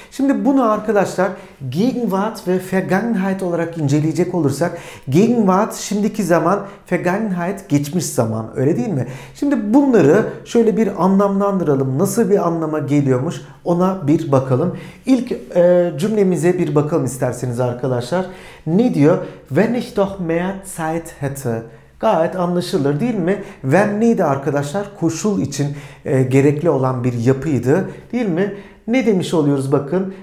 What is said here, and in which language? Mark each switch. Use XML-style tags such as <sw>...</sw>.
<tr>Şimdi bunu arkadaşlar Gegenwart ve Vergangenheit olarak inceleyecek olursak, Gegenwart şimdiki zaman, Vergangenheit geçmiş zaman, öyle değil mi? Şimdi bunları şöyle bir anlamlandıralım. Nasıl bir anlama geliyormuş, ona bir bakalım. İlk cümlemize bir bakalım isterseniz arkadaşlar. Ne diyor?</tr> <de>Wenn ich doch mehr Zeit hätte.</de> <tr>Gayet anlaşılır değil mi? Wenn neydi arkadaşlar? Koşul için gerekli olan bir yapıydı değil mi? Ne demiş oluyoruz bakın?</tr>